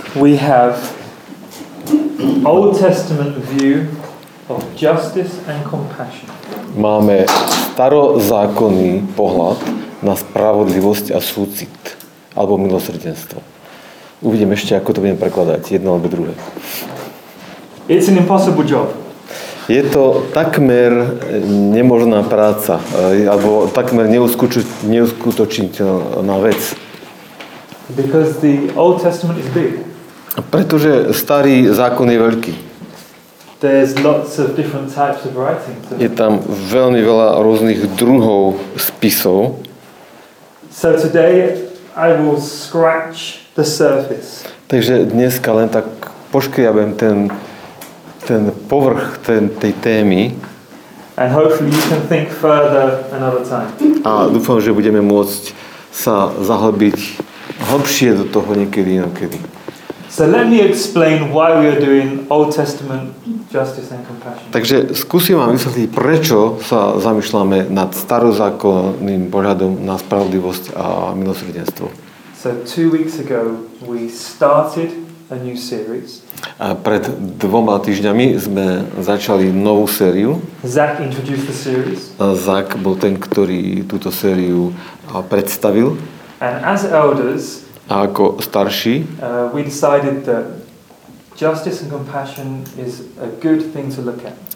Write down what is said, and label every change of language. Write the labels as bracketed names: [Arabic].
[English] We have Old Testament view of justice and compassion. [Slovak] Máme starozákonný pohľad na spravodlivosť a súcit alebo milosrdenstvo. Uvidíme ešte, ako to budem prekladať, jedno alebo druhé. [English] It's an impossible job. [Slovak] Je to takmer nemožná práca, alebo takmer neuskutočiteľná vec. [English] Because the Old Testament is big. [Slovak] Pretože starý zákon je veľký. [English] There's lots of different types of writing. [Slovak] Je tam veľmi veľa rôznych druhov spisov. [English] So today I will scratch the surface. [Slovak] Takže dneska len tak poškriabem ten povrch tej témy. [English] And hopefully you can think further another time. [Slovak] A dúfam, že budeme môcť sa zahlbiť hlbšie do toho niekedy inokedy. [English] So let me explain why we are doing Old Testament justice and compassion. [Slovak] Takže skúsim vám vysvetliť, prečo sa zamýšľame nad starozákonným pohľadom na spravodlivosť a milosrdenstvo. [English] So 2 weeks ago we started a new series. [Slovak] A pred 2 týždňami sme začali novú sériu. [English] Zach introduced the series. [Slovak] Zach bol ten, ktorý túto sériu predstavil. [English] And as elders, [Slovak] a ako starší, [English] we decided that justice and compassion is a good thing to look at.